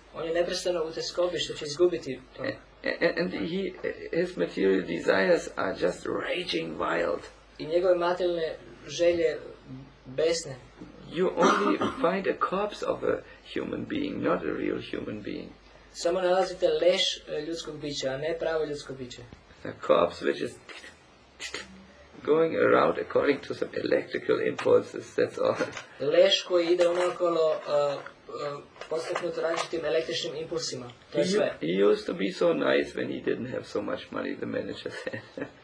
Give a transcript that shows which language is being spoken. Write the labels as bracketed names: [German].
[Serbian] On je neprestano u teskobi što će izgubiti to. [English] And his material desires are just raging wild. [Serbian] I njegove materijalne želje besne. [English] You only find a corpse of a human being, not a real human being. [Serbian] Samo nalazite leš ljudskog bića, a ne pravo ljudsko biće. [English] A corpse which is going around according to some electrical impulses, that's all. [Serbian] Leš koji ide unokolo postaknut različitim električnim impulsima, to je sve. [English] He used to be so nice when he didn't have so much money, the manager said.